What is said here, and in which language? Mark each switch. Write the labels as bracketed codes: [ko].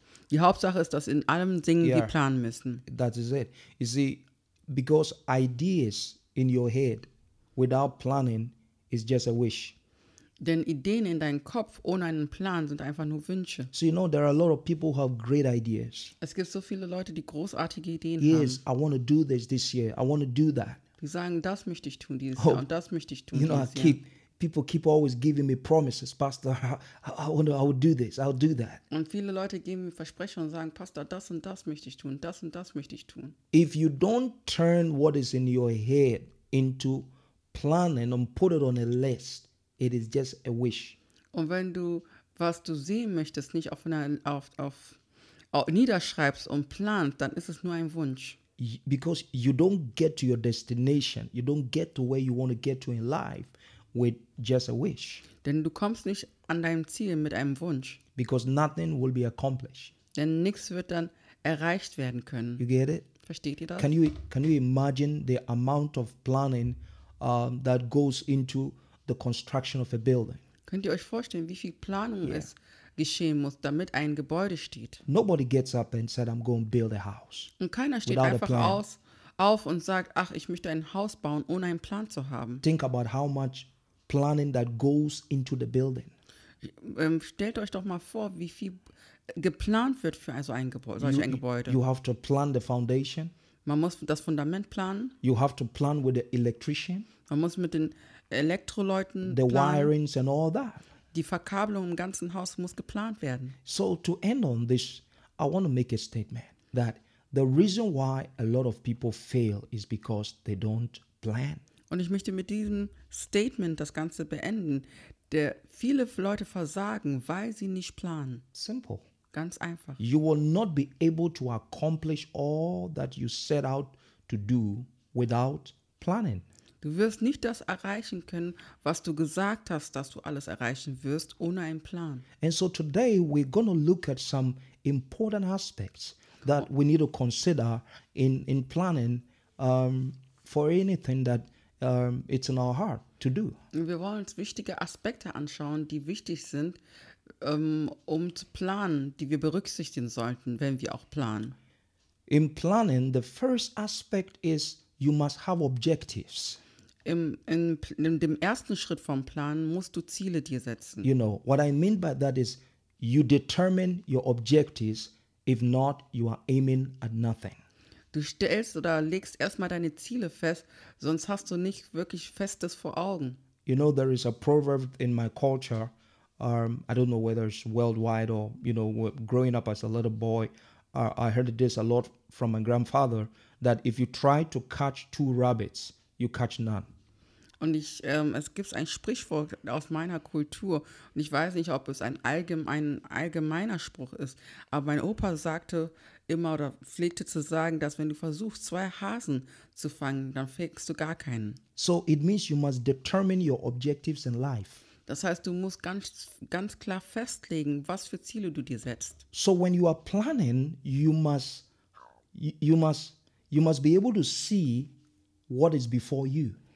[de] Die Hauptsache ist, dass in allem Dingen wir planen müssen. [en] That is it. You see, because ideas in your head without planning is just a wish. [de] Denn Ideen in deinem Kopf ohne einen Plan sind einfach nur Wünsche. [en] So you know, there are a lot of people who have great ideas. [de] Es gibt so viele Leute, die großartige Ideen haben. [en] Yes, I want to do this year. I want to do that. [de] Die sagen, das möchte ich tun dieses Jahr und das möchte ich tun dieses Jahr. [en] You know, people keep always giving me promises, Pastor. I'll do this. I'll do that. [de] Und viele Leute geben mir Versprechen und sagen, Pastor, das und das möchte ich tun. Das und das möchte ich tun. [en] If you don't turn what is in your head into planning and put it on a list, It is just a wish. [de] Und wenn du, was du sehen möchtest, nicht auf einer, auf niederschreibst und planst, dann ist es nur ein Wunsch. [en] Because you don't get to your destination, you don't get to where you want to get to in life with just a wish. [de] Denn du kommst nicht an deinem Ziel mit einem Wunsch. [en] Because nothing will be accomplished. [de] Denn nichts wird dann erreicht werden können. [en] You get it? [de] Versteht ihr das? [en] Can you imagine the amount of planning that goes into the construction of a building? [de] Könnt ihr euch vorstellen, wie viel Planung es geschehen muss, damit ein Gebäude steht? [en] Nobody gets up and said, I'm going to build a house. [de] Und keiner steht einfach auf und sagt, ach, ich möchte ein Haus bauen, ohne einen Plan zu haben. [en] Think about how much planning that goes into the building. [de] Stellt euch doch mal vor, wie viel geplant wird für also ein Gebäude, solch ein Gebäude. [en] You have to plan the foundation. [de] Man muss das Fundament planen. [en] You have to plan with the electrician. [de] Man muss mit den Elektroleuten planen. [en] The wirings and all that. [de] Die Verkabelung im ganzen Haus muss geplant werden. [en] So to end on this, I want to make a statement that the reason why a lot of people fail is because they don't plan. [de] Und ich möchte mit diesem Statement das Ganze beenden. Der viele Leute versagen, weil sie nicht planen. [en] Simple. [de] Ganz einfach. [en] You will not be able to accomplish all that you set out to do without planning. [de] Du wirst nicht das erreichen können, was du gesagt hast, dass du alles erreichen wirst, ohne einen Plan. [en] And so today we're going to look at some important aspects that we need to consider in planning for anything that it's in our heart to do. [de] Wir wollen uns wichtige Aspekte anschauen, die wichtig sind, um zu planen, die wir berücksichtigen sollten, wenn wir auch planen. [en] In planning, the first aspect is you must have objectives. [de] In dem ersten Schritt vom Plan musst du Ziele dir setzen. [en] You know, what I mean by that is you determine your objectives, if not, you are aiming at nothing. [de] Du stellst oder legst erstmal deine Ziele fest, sonst hast du nicht wirklich Festes vor Augen. [en] You know, there is a proverb in my culture. I don't know whether it's worldwide or, you know, growing up as a little boy, I heard this a lot from my grandfather, that if you try to catch two rabbits, you catch none. [de] Und ich, es gibt ein Sprichwort aus meiner Kultur und ich weiß nicht, ob es ein allgemeiner Spruch ist, aber mein Opa sagte immer oder pflegte zu sagen, dass wenn du versuchst, zwei Hasen zu fangen, dann fängst du gar keinen. [en] So it means you must determine your objectives in life. [de] Das heißt, du musst ganz klar festlegen, was für Ziele du dir setzt. [en] So when you are planning, you must be able to see what is before you.